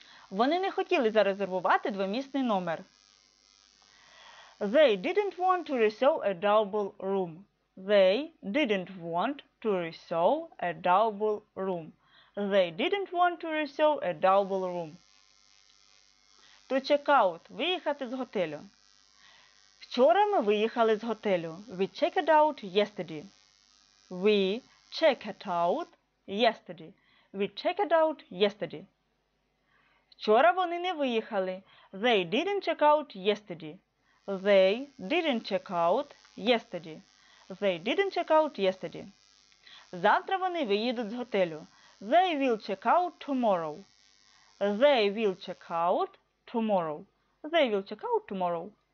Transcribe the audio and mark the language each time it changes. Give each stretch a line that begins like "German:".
Ukrainian: Вони не хотіли зарезервувати двомісний номер.
English: They didn't want to reserve a double room. They didn't want to reserve a double room. They didn't want to reserve a double room. To check out
Ukrainian: – виїхати з готелю. Вчора ми виїхали з готелю.
English: We checked out yesterday. We checked out yesterday. We checked out yesterday.
Ukrainian: Вчора вони не виїхали.
English: They didn't check out yesterday. They didn't check out yesterday. They didn't check out yesterday.
Ukrainian: Завтра вони виїдуть з готелю.
English: They will check out tomorrow. They will check out tomorrow. They will check out tomorrow.